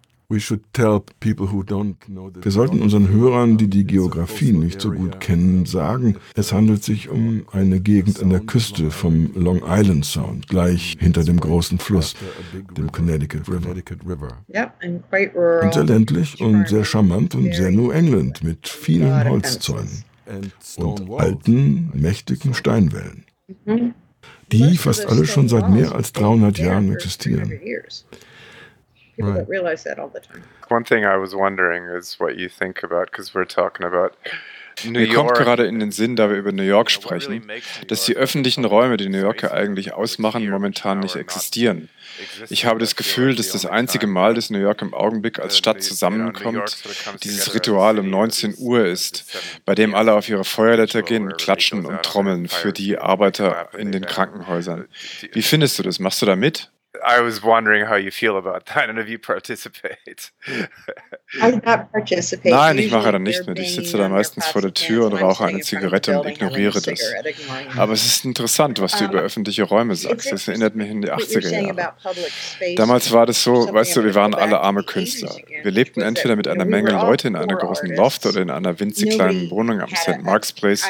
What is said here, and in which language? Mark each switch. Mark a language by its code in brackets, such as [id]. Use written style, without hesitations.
[en] We should tell people who don't know the [de] Wir sollten unseren Hörern, die die Geografie nicht so gut kennen, sagen, es handelt sich um eine Gegend an der Küste vom Long Island Sound, gleich hinter dem großen Fluss, dem Connecticut River. Und sehr ländlich und sehr charmant und sehr New England mit vielen Holzzäunen und alten, mächtigen Steinwällen, die fast alle schon seit mehr als 300 Jahren existieren. [en] People right. Don't realize that all the time. One thing I was wondering is what you think about, because we're talking about [de] New York. Mir kommt gerade in den Sinn, da wir über New York sprechen, dass die öffentlichen Räume, die New Yorker eigentlich ausmachen, momentan nicht existieren. Ich habe das Gefühl, dass das einzige Mal, dass New York im Augenblick als Stadt zusammenkommt, dieses Ritual um 19 Uhr ist, bei dem alle auf ihre Feuerleiter gehen, klatschen und trommeln für die Arbeiter in den Krankenhäusern. Wie findest du das? Machst du da mit? [en] I was wondering how you feel about that and if you participate. I'm not participating. [de] Nein, ich mache da nicht mit. Ich sitze da meistens vor der Tür und rauche eine Zigarette und ignoriere das. Aber es ist interessant, was du über öffentliche Räume sagst. Das erinnert mich an die 80er Jahre. Damals war das so, weißt du, wir waren alle arme Künstler. Wir lebten entweder mit einer Menge Leute in einer großen Loft oder in einer winzig kleinen Wohnung am St. Mark's Place.